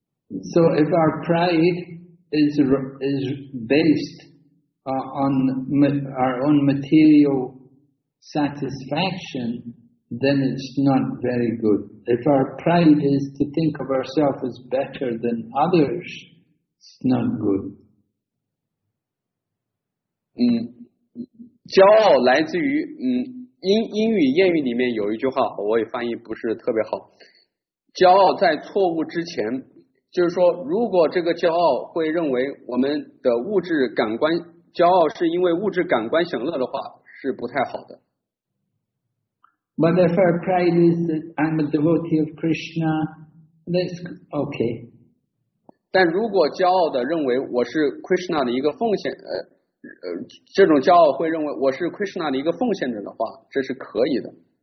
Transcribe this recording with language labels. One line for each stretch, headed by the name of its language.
English: So if our pride is based on our own material satisfaction, then it's not very good. If our pride is to think of ourselves as better than others, it's not good.
Chinese: 骄傲来自于英语谚语里面有一句话，我也翻译不是特别好。骄傲在错误之前，就是说，如果这个骄傲会认为我们的物质感官骄傲是因为物质感官享乐的话，是不太好的。
English: But if our pride is that I'm a devotee of Krishna, that's okay.
Chinese: 但如果骄傲的认为我是 Krishna 的一个奉献，这种骄傲会认为我是 Krishna 的一个奉献者的话，这是可以的。